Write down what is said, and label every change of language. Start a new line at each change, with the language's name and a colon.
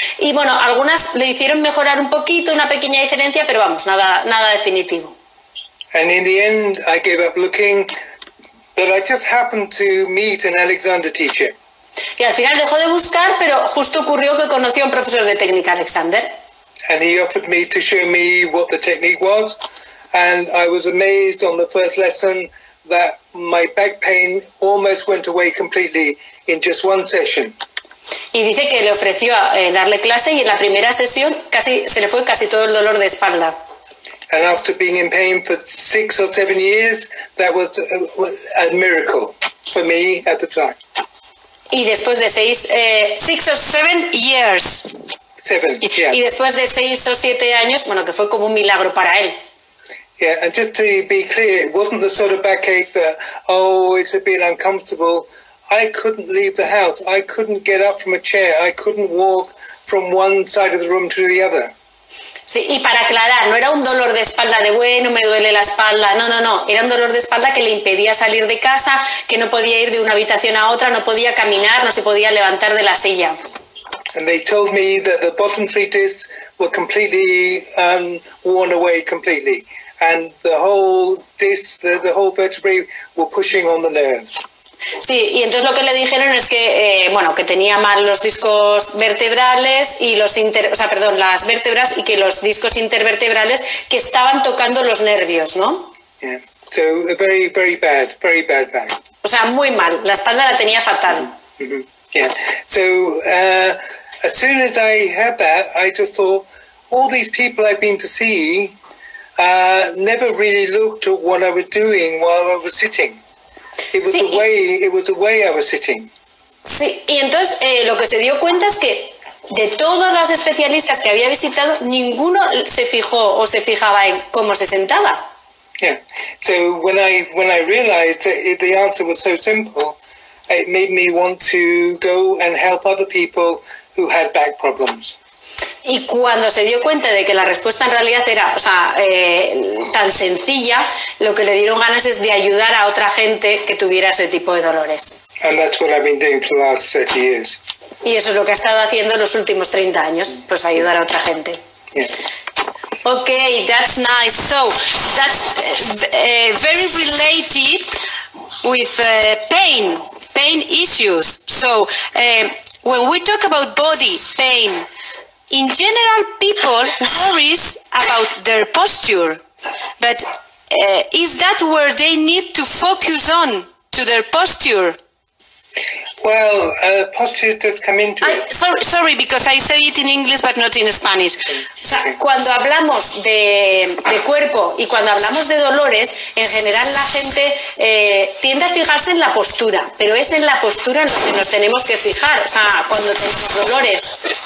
Spanish: Y bueno, algunas le hicieron mejorar un poquito, una pequeña diferencia, pero vamos, nada definitivo.
English: And in the end, I gave up looking, but I just happened to meet an Alexander teacher.
Spanish: Y al final dejó de buscar, pero justo ocurrió que conoció a un profesor de técnica, Alexander.
English: And he offered me to show me what the technique was, and I was amazed on the first lesson that my back pain almost went away completely in just one session.
Spanish: Y dice que le ofreció a darle clase y en la primera sesión casi se le fue casi todo el dolor de espalda.
English: And after being in pain for 6 or 7 years, that was a miracle for me at the time.
Spanish: Y después de seis o siete años, bueno, que fue como un milagro para él.
English: Yeah, and just to be clear, it wasn't the sort of backache that, oh, it's a bit uncomfortable. I couldn't leave the house. I couldn't get up from a chair. I couldn't walk from one side of the room to the other.
Spanish: Sí, y para aclarar, no era un dolor de espalda de, bueno, me duele la espalda. No, no, no. Era un dolor de espalda que le impedía salir de casa, que no podía ir de una habitación a otra, no podía caminar, no se podía levantar de la silla.
English: And they told me that the bottom three discs were completely worn away completely. And the whole disc, the whole vertebrae were pushing on the nerves.
Spanish: Sí, y entonces lo que le dijeron es que, bueno, que tenía mal los discos vertebrales y las vértebras y que los discos intervertebrales que estaban tocando los nervios, ¿no?
English: Yeah, so very, very bad, very bad back.
Spanish: O sea, muy mal, la espalda la tenía fatal. Mm-hmm.
English: Yeah, so as soon as I had that, I just thought, all these people I've been to see, never really looked at what I was doing while I was sitting. It was the way I was sitting.
Spanish: Sí, y entonces lo que se dio cuenta es que de todos los especialistas que había visitado, ninguno se fijó o se fijaba en cómo se sentaba.
English: Yeah. So when I realized that the answer was so simple, it made me want to go and help other people who had back problems.
Spanish: Y cuando se dio cuenta de que la respuesta en realidad era, o sea, tan sencilla, lo que le dieron ganas es de ayudar a otra gente que tuviera ese tipo de dolores.
English: And that's what I've been doing for the last 30 years.
Spanish: Y eso es lo que ha estado haciendo en los últimos 30 años, pues ayudar a otra gente.
English: Yeah. Okay, that's nice. So, that's very related with pain issues. So, when we talk about body pain, in general, people worry about their posture, but is that where they need to focus on, to their posture? Well, posture does come into it. Sorry, because I say it in English, but not in Spanish. Okay.
Spanish: O sea, cuando hablamos de cuerpo y cuando hablamos de dolores, en general la gente tiende a fijarse en la postura, pero es en la postura en la que nos tenemos que fijar, o sea, cuando tenemos dolores.